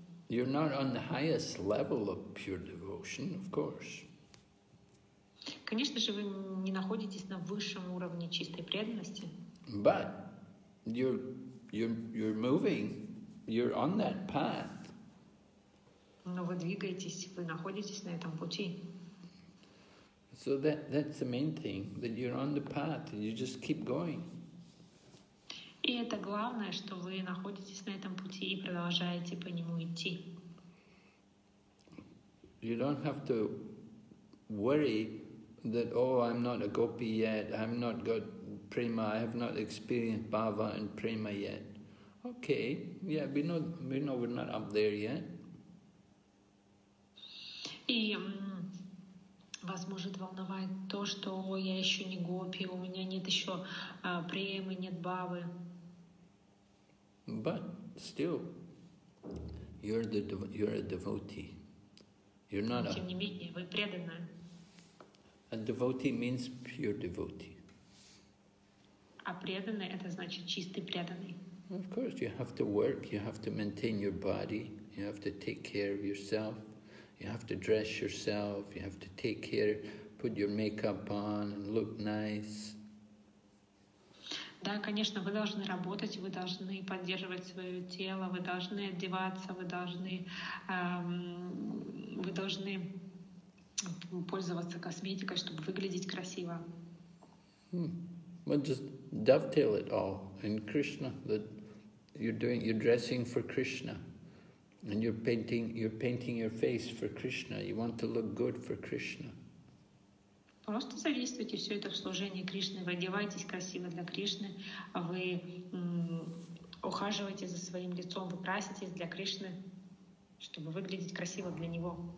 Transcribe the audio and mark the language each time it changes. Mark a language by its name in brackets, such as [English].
[English] You're not on the highest level of pure devotion, of course. [Russian] Конечно же, вы не находитесь на высшем уровне чистой преданности. [English] But you're moving, you're on that path. [Russian] Но вы двигаетесь, вы находитесь на этом пути. [English] So that's the main thing, that you're on the path and you just keep going. [Russian] И это главное, что вы находитесь на этом пути и продолжаете по нему идти. [English] You don't have to worry that, oh, I'm not a gopi yet, I'm not got prema, I have not experienced bhava and prema yet. Okay, yeah, we know we're not up there yet. [Russian] И вас может волновать то, что я еще не гопи, у меня нет еще премы, нет бхавы. [English] But still, you're a devotee. You're not [Russian] тем не менее, вы преданная. [English] A devotee means pure devotee. [Russian] А преданный это значит чистый преданный. [English] Of course, you have to work, you have to maintain your body, you have to take care of yourself, you have to dress yourself, you have to take care, put your makeup on and look nice. [Russian] Да, конечно, вы должны работать, вы должны поддерживать свое тело, вы должны одеваться, вы должны пользоваться косметикой, чтобы выглядеть красиво. [English] Well, just dovetail it all in Krishna, that you're dressing for Krishna, and you're painting your face for Krishna. You want to look good for Krishna. [Russian] Просто задействуйте все это в служении Кришны. Вы одеваетесь красиво для Кришны, вы ухаживаете за своим лицом, вы краситесь для Кришны, чтобы выглядеть красиво для Него.